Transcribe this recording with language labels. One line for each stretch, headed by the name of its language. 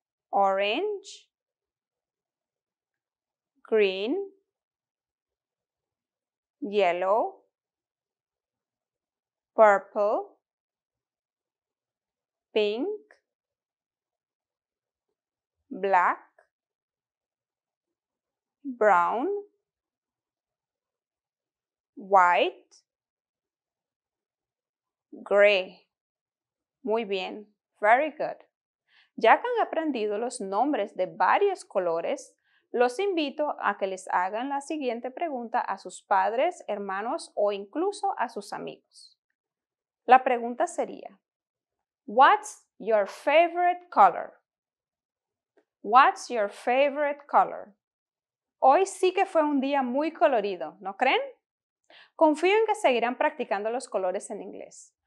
English: orange, green, yellow, purple, pink, black, brown, white, gray.
Spanish: Muy bien.
English: Very good.
Spanish: Ya que han aprendido los nombres de varios colores, los invito a que les hagan la siguiente pregunta a sus padres, hermanos o incluso a sus amigos. La pregunta sería,
English: what's your favorite color? What's your favorite color?
Spanish: Hoy sí que fue un día muy colorido, ¿no creen? Confío en que seguirán practicando los colores en inglés.